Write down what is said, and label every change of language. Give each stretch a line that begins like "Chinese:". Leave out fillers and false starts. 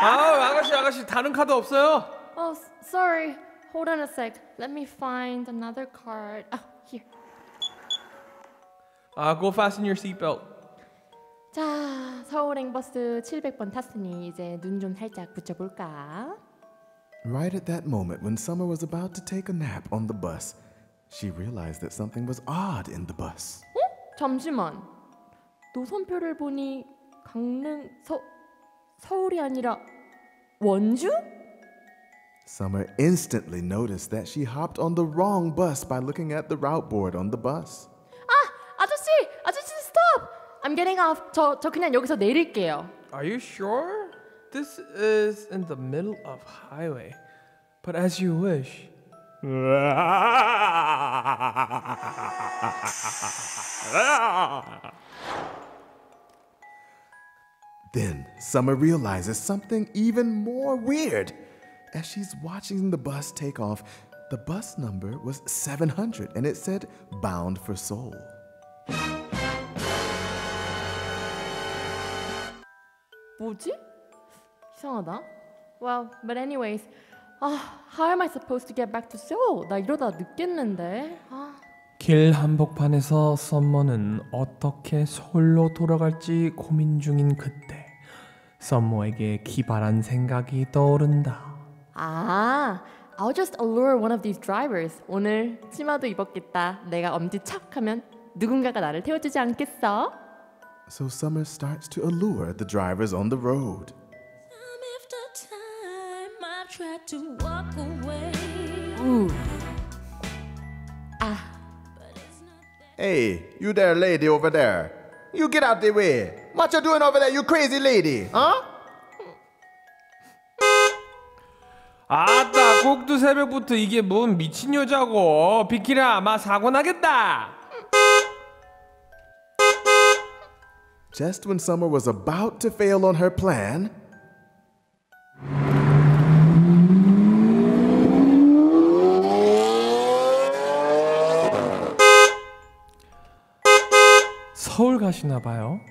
Korean: 아, 아가씨, 아가씨, 다른 카드 없어요?
English: Oh, sorry. Hold on a sec. Let me find another card. Oh, here. Go fasten your seatbelt.
Korean: 자, 서울 행버스 700번 탔으니 이제 눈 좀 살짝 붙여볼까?
English: Right at that moment, when Summer was about to take a nap on the bus, she realized that something was odd in the bus.
Korean: 어? 잠시만. 노선표를 보니 강릉, 서울이 아니라 원주?
English: Summer instantly noticed that she hopped on the wrong bus by looking at the route board on the bus.
Korean: 아, 아저씨! 아저씨,
English: stop! I'm getting off.
Korean: 저 그냥 여기서 내릴게요.
English: Are you sure? This is in the middle of highway. But as you wish. 아! Then Summer realizes something even more weird. As she's watching the bus take off, the bus number was 700 and it said bound for Seoul. Well, but anyways, how am I supposed to get back to Seoul?
Korean: 나 이러다 늦겠는데. 길 한복판에서 썸머는 어떻게 서울로 돌아갈지 고민 중인 그때, 썸머에게 기발한 생각이 떠오른다.
English: 아, I'll just allure one of these drivers.
Korean: 오늘 치마도 입었겠다. 내가 엄지 척 하면 누군가가 나를 태워주지 않겠어?
English: So Summer starts to allure the drivers on the road. Time after time, I've tried to walk away. Ooh. Ah. Hey, you there, lady over there. You get out the way. What you doing over there, you crazy lady? Huh?
Korean: 아따, 꼭두 새벽부터 이게 뭔 미친 여자고. 비키라, 아마 사고 나겠다.
English: Just when Summer was about to fail on her plan,
Korean: Seoul 가시나 봐요.